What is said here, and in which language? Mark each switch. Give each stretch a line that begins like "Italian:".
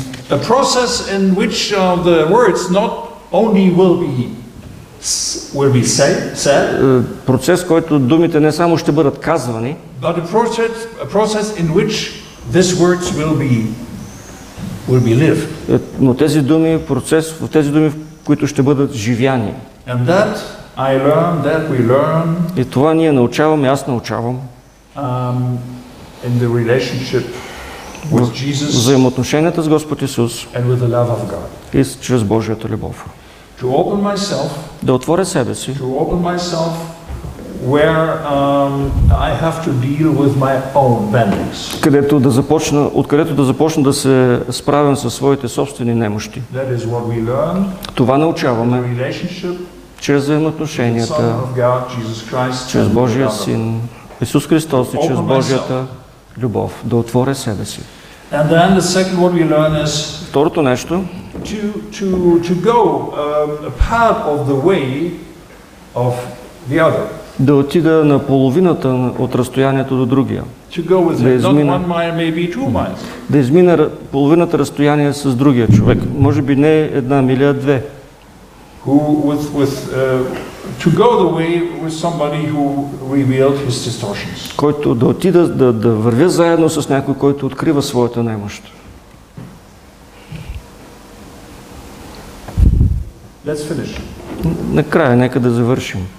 English: A process in which the words not only will be said,
Bulgarian: процес, който думите не само ще бъдат казвани,
English: but a process in which these words will be lived.
Bulgarian: Но тези думи, процес в тези думи, в които ще бъдат живяни.
English: And that I learn, that we learn.
Bulgarian: И това ние научаваме, аз научавам.
English: In the relationship with Jesus.
Bulgarian: Взаимоотношенията с Господ Исус.
English: And with the love of God.
Bulgarian: И чрез Божията любов.
English: To open myself.
Bulgarian: Да отворя себе си.
English: To open myself where I have to deal with my own bendings.
Bulgarian: Където да започна, откъдето да започна да се справям със своите собствени немощи.
English: That is what we learn.
Bulgarian: Това научаваме.
English: The relationship.
Bulgarian: Чрез взаимоотношенията.
English: Son of God, Jesus Christ.
Bulgarian: Чрез Божия Син Исус Христос и чрез Божията любов. Да отворя себе си.
English: And then the second what we learn is.
Bulgarian: Второто нещо.
English: To go a part of the way of the other.
Bulgarian: Да отида на половината от разстоянието до другия.
English: To go with him, not 1 mile, maybe 2 miles.
Bulgarian: Да измина половината разстояние с другия човек. Може би не една миля, а две.
English: Who with to go the way with somebody who revealed his distortions.
Bulgarian: Който да отида да вървя заедно с някой, който открива своята немощ.
English: Let's finish.
Bulgarian: Накрая нека да завършим.